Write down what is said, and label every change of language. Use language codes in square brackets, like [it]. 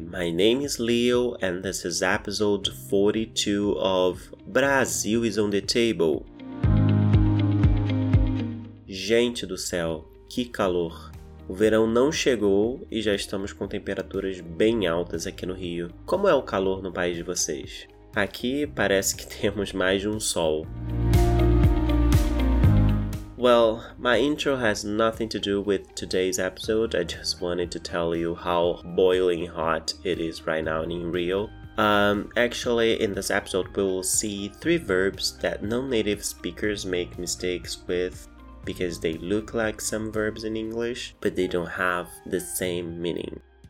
[en] My name is Leo and this is episode 42 of Brasil is on the Table. [pt] Gente do céu, que calor! O verão não chegou e já estamos com temperaturas bem altas aqui no Rio. Como é o calor no país de vocês? Aqui parece que temos mais de um sol. [en] Well, my intro has nothing to do with today's episode. I just wanted to tell you how boiling hot it is right now in Rio. Actually, in this episode, we will see three verbs that non-native speakers make mistakes with because they look like some verbs in English, but they don't have the same meaning.